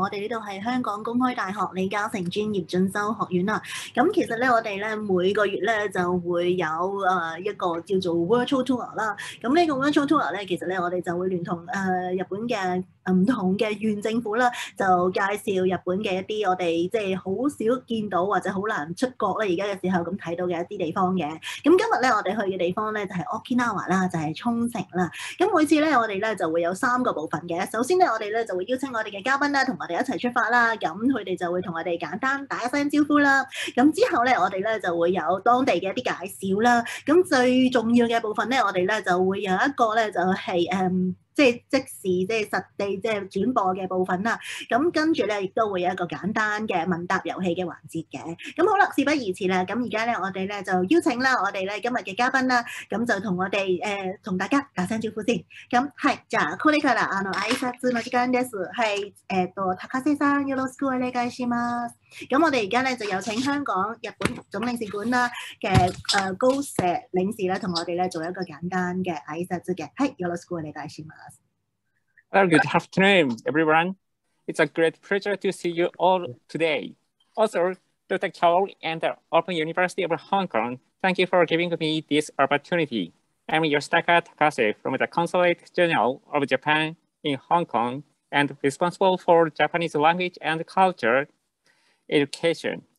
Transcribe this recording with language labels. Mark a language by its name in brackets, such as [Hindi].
[Cantonese] 我哋呢度係香港公開大學李嘉誠專業進修學院啦。咁其實咧，我哋咧每個月咧就會有一個叫做 virtual tour 啦。咁呢個 virtual tour 咧，其實咧我哋就會聯同日本嘅唔同嘅縣政府啦，就介紹日本嘅一啲我哋即係好少見到或者好難出國咧，而家嘅時候咁睇到嘅一啲地方嘅。咁今日咧我哋去嘅地方咧就係 Okinawa 啦，就係沖繩啦。咁每次咧我哋咧就會有三個部分嘅。首先咧我哋咧就會邀請我哋嘅嘉賓啦，同我哋一齊出發啦。咁佢哋就會同我哋簡單打一聲招呼啦。咁之後咧我哋咧就會有當地嘅一啲介紹啦。咁最重要嘅部分咧，我哋咧就會有一個咧就係即係即時即係實地即係轉播嘅部分啦，咁跟住咧亦都會有一個簡單嘅問答遊戲嘅環節嘅。咁好啦，事不宜遲啦，咁而家咧我哋咧就邀請啦，我哋咧今日嘅嘉賓啦，咁就同我哋同大家打聲招呼先。咁係 [Japanese] じゃあこれからあの挨拶の時間です。係高瀬さんよろしくお願いします。 [Cantonese] 咁我哋而家咧就有請香港日本總領事館啦嘅高瀬領事咧，同我哋咧做一個簡單嘅挨拶嘅。 [Japanese] 係よろしくお願いします。 [English] Well, good afternoon, everyone. It's a great pleasure to see you all today. Also, Dr. Chow and the Open University of Hong Kong, thank you for giving me this opportunity. I'm Yoshitaka Takase from the Consulate General of Japan in Hong Kong and responsible for Japanese language and culture education.